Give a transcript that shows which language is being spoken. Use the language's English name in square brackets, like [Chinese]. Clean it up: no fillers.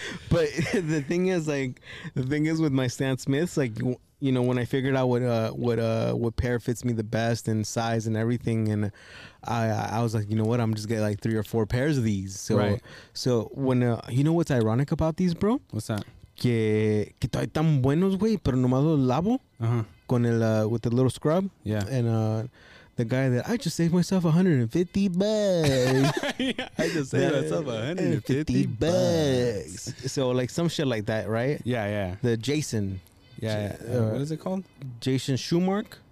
[English] But the thing is with my Stan Smiths, like, you know, when I figured out what pair fits me the best and size and everything, and I was like, you know what, I'm just getting like 3 or 4 pairs of these. So, right. So when, you know what's ironic about these, bro? What's that? [Spanish] Que todavía están buenos, güey, pero nomás los lavo. [English] Uh-huh. With the little scrub. Yeah. And the guy that I just saved myself $150. Yeah, I just saved myself $150. So like some shit like that, right? Yeah, yeah. The Jason. Yeah, what is it called? Jason Schumark?